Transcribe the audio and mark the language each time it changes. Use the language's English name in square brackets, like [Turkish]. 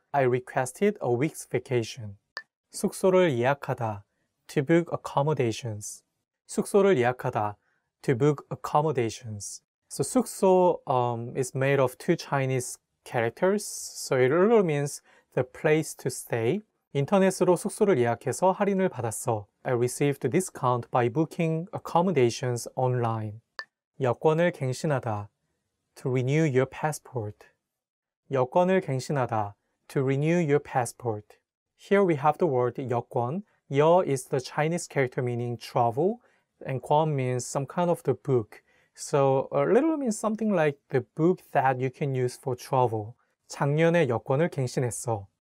[English] I requested a week's vacation. [Korean] 숙소를 예약하다, [English] to book accommodations. [Korean] 숙소를 예약하다, [English] to book accommodations. So 숙소 is made of two Chinese characters. So it literally means the place to stay. [Korean] 인터넷으로 숙소를 예약해서 할인을 받았어. [English] I received a discount by booking accommodations online. [Korean] 여권을 갱신하다, [English] to renew your passport. [Korean] 여권을 갱신하다, [English] to renew your passport. Here we have the word 여권. 여 is the Chinese character meaning travel, and 권 means some kind of the book. So a little means something like the book that you can use for travel. [Korean] 작년에 여권을 갱신했어.